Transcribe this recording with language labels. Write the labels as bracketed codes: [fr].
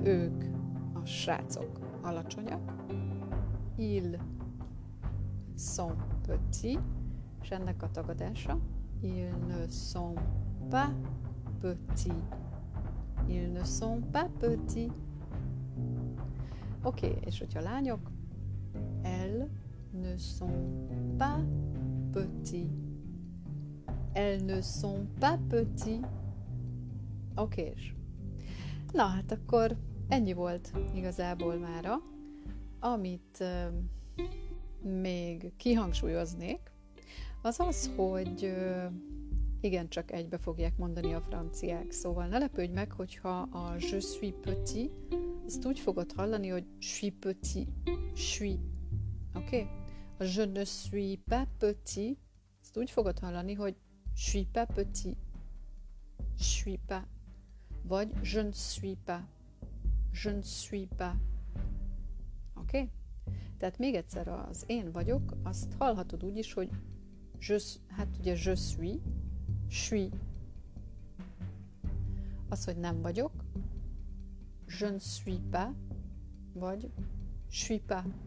[hu] Ők, a srácok, alacsonyak. [fr] Ils sont petits. [hu] És ennek a tagadása. [fr] Ils ne sont pas petits. Ils ne sont pas petits. [hu] Oké, okay, és hogyha lányok, [fr] elles ne sont pas petits. Elles ne sont pas petits. [hu] Oké. Na, hát akkor ennyi volt igazából mára. Amit még kihangsúlyoznék, az az, hogy igencsak egybe fogják mondani a franciák. Szóval ne lepődj meg, hogyha a [fr] je suis petit [hu] Stort fogatrollani, hogy [fr] suis petit, suis, [hu] oké? Okay? [fr] Je ne suis pas petit, [hu] ezt úgy fogod hallani, hogy [fr] suis pas petit, suis pas, vagy je ne suis pas, [hu] je ne suis pas, oké? [en] Okay? [hu] Tehát még egyszer az én vagyok, azt hallhatod úgy is, hogy je, hát ugye [fr] je suis, suis, [hu] az, hogy nem vagyok, [fr] je ne suis pas, [hu] vagy [fr] suis pas.